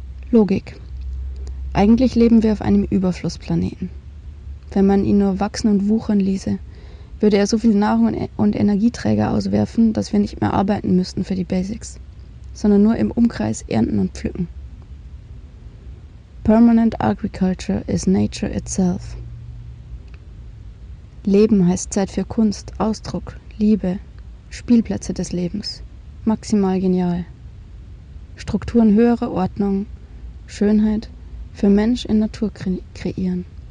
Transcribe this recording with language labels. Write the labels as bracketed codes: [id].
[de] Logik. Eigentlich leben wir auf einem Überflussplaneten. Wenn man ihn nur wachsen und wuchern ließe, würde er so viel Nahrung und Energieträger auswerfen, dass wir nicht mehr arbeiten müssten für die Basics, sondern nur im Umkreis ernten und pflücken. [en] Permanent Agriculture is Nature itself. [de] Leben heißt Zeit für Kunst, Ausdruck, Liebe, Spielplätze des Lebens, maximal genial. Strukturen höherer Ordnung, Schönheit für Mensch in Natur kreieren.